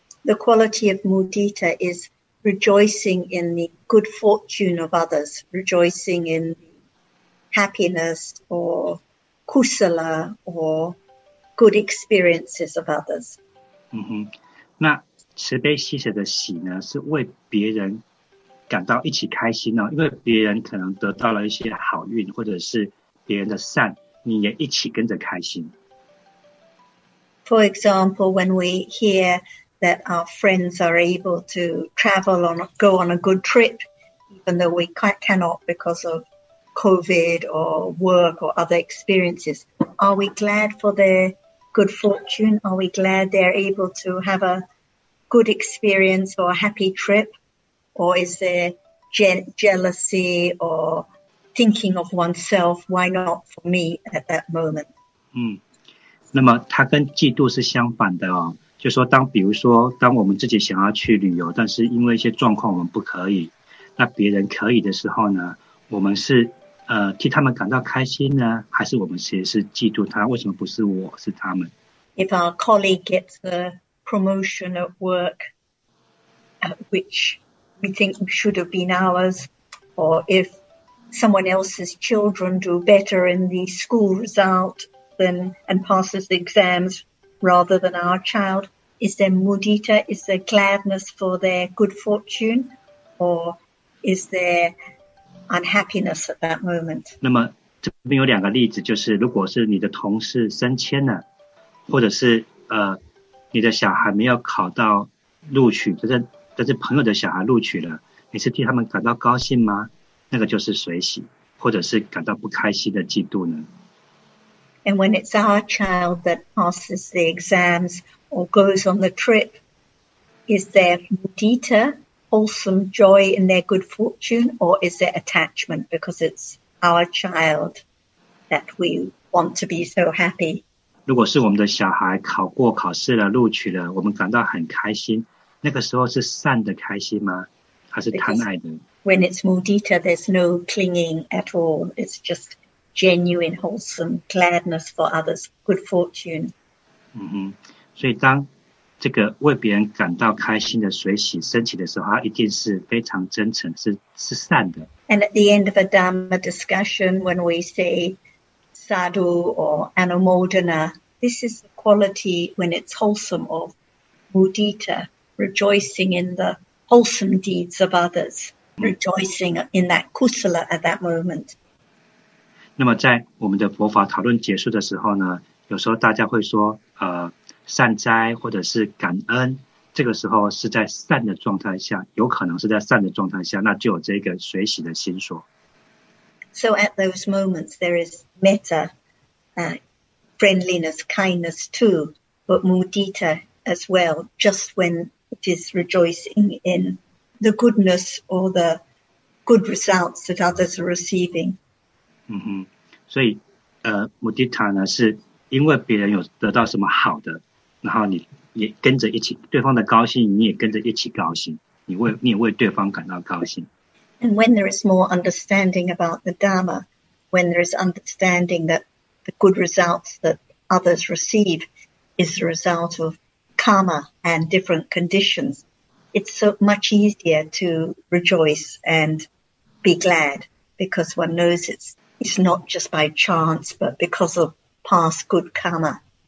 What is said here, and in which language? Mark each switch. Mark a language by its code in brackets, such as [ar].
[en] The quality of mudita is rejoicing in the good fortune of others, rejoicing in happiness or kusala or good experiences of others. [zh] 嗯哼，那慈悲喜舍的喜呢，是为别人感到一起开心哦，因为别人可能得到了一些好运，或者是别人的善，你也一起跟着开心。 [en] For example, when we hear that our friends are able to travel on, go on a good trip, even though we cannot because of COVID or work or other experiences, are we glad for their? Good fortune? Are we glad they're able to have a good experience or a happy trip? Or is there jealousy or thinking of oneself, why not for me at that moment? [zh] 那么它跟嫉妒是相反的哦，就说当比如说当我们自己想要去旅游，但是因为一些状况我们不可以，那别人可以的时候呢，我们是替他们感到开心呢，还是我们其实是嫉妒他？为什么不是我，是他们 [en] ？If our colleague gets a promotion at work, which we think should have been ours, or if someone else's children do better in the school result than and passes the exams rather than our child, is there mudita? Is there gladness for their good fortune, or is there? Unhappiness at that moment. [zh] 那么这边有两个例子，就是如果是你的同事升迁了，或者是你的小孩没有考到录取，但是朋友的小孩录取了，你是替他们感到高兴吗？那个就是随喜，或者是感到不开心的嫉妒呢？ [en] And when it's our child that passes the exams or goes on the trip, is there mudita? Wholesome joy in their good fortune, or is it attachment because it's our child that we want to be so happy? [zh] 如果是我们的小孩考过考试了，录取了，我们感到很开心，那个时候是善的开心吗？还是贪爱的？ [en] When it's mudita, there's no clinging at all. It's just genuine, wholesome gladness for others, good fortune. [zh] 所以当这个为别人感到开心的随喜升起的时候，它一定是非常真诚，是善的。 [en] And at the end of a Dhamma discussion, when we say sadhu or anumodana, this is the quality when it's wholesome of mudita, rejoicing in the wholesome deeds of others, rejoicing in that kusala at that moment. [zh] 那么在我们的佛法讨论结束的时候呢，有时候大家会说，善哉或者是感恩，这个时候是在善的状态下，有可能是在善的状态下，那就有这个随喜的心所。 [en] So at those moments, there is metta, friendliness, kindness too, but mudita as well, just when it is rejoicing in the goodness or the good results that others are receiving. Mm-hmm. [zh] 所以, mudita 呢, 是因为别人有得到什么好的, 然后你也跟着一起, 对方的高兴, 你也跟着一起高兴, 你也为对方感到高兴。 [en] And when there is more understanding about the Dharma, when there is understanding that the good results that others receive is the result of karma and different conditions, it's so much easier to rejoice and be glad because one knows it's not just by chance, but because of past good karma.